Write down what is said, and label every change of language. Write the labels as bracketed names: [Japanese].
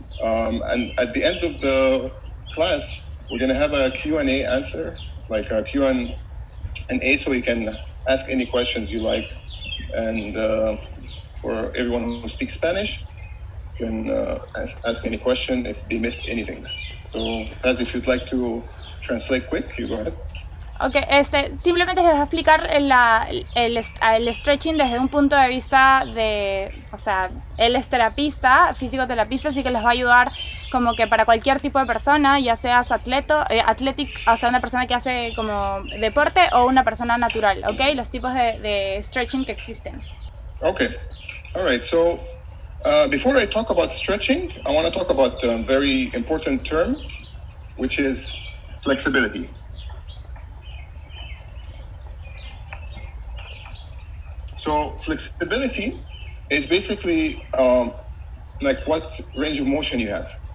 [English] And at the end of the class, we're going to have a Q&A answer, like a Q&A, so you can ask any questions you like. And for everyone who speaks Spanish, you can ask any question if they missed anything. So, Paz, if you'd like to translate quick, you go ahead. [Spanish] Ok, simplemente les voy a explicar el stretching desde un punto de vista de, o sea, él es terapista, fisioterapista, así que les va a ayudar como que para cualquier tipo de persona, ya seas o sea, una persona que hace como deporte o una persona natural, ok, los tipos de stretching que existen. [English] Ok, all right, so before I talk about stretching, I want to talk about a very important term, which is flexibility. So flexibility is basically like what range of motion you have.